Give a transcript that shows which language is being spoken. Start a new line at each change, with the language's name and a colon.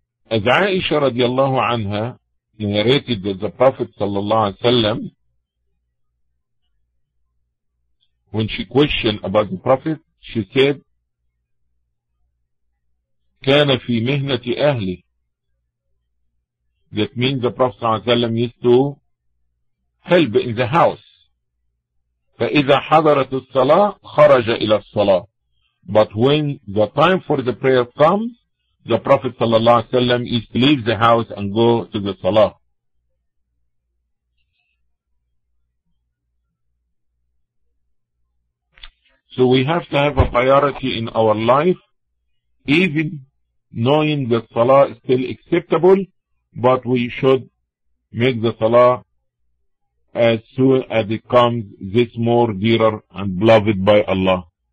English: As Aisha radiallahu anha narrated that the Prophet sallallahu alaihi wasallam, when she questioned about the Prophet, she said,
Arabic: كان في مهنة أهلي.
English: That means the Prophet sallallahu alaihi wasallam used to help in the house.
Arabic: فإذا حضرت الصلاة خرج إلى الصلاة.
English: But when the time for the prayer comes, the Prophet sallallahu alaihi wasallam is to leave the house and go to the salah. So we have to have a priority in our life, even knowing the salah is still acceptable, but we should make the salah as soon as it comes, this more dearer and beloved by Allah.